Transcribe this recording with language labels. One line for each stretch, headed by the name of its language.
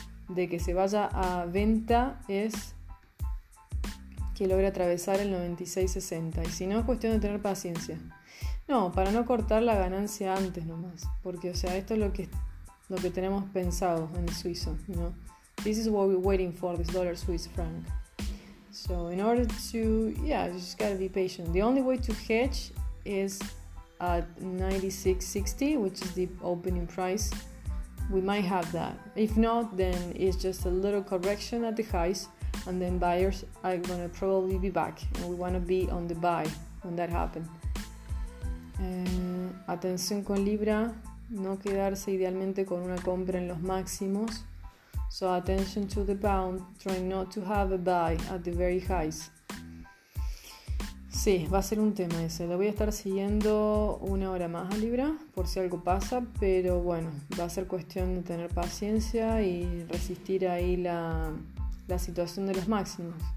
Spanish: de que se vaya a venta es que logre atravesar el 96.60. Y si no, es cuestión de tener paciencia. No, para no cortar la ganancia antes nomás. Porque, o sea, esto es lo que tenemos pensado en el suizo, ¿no?
English: This is what we're waiting for, this dollar Swiss franc. So, in order to... Yeah, you just gotta be patient. The only way to hedge is at 96.60, which is the opening price. We might have that. If not, then it's just a little correction at the highs, and then buyers are gonna probably be back, and we wanna be on the buy when that happens.
Spanish: Atención con Libra, no quedarse idealmente con una compra en los máximos.
English: So attention to the pound, try not to have a buy at the very highs.
Spanish: Sí, va a ser un tema ese. Lo voy a estar siguiendo una hora más a Libra, por si algo pasa, pero bueno, va a ser cuestión de tener paciencia y resistir ahí la situación de los máximos.